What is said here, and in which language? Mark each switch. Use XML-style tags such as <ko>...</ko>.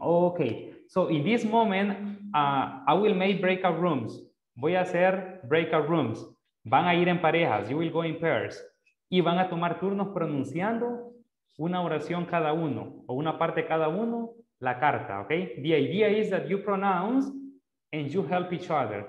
<en>Okay, so in this moment, I will make breakout rooms.</en> <es>Voy a hacer breakout rooms. Van a ir en parejas.</es> <en>You will go in pairs.</en> <es>Y van a tomar turnos pronunciando una oración cada uno, o una parte cada uno, la carta, ¿ok?</es> <en>The idea is that you pronounce and you help each other.</en>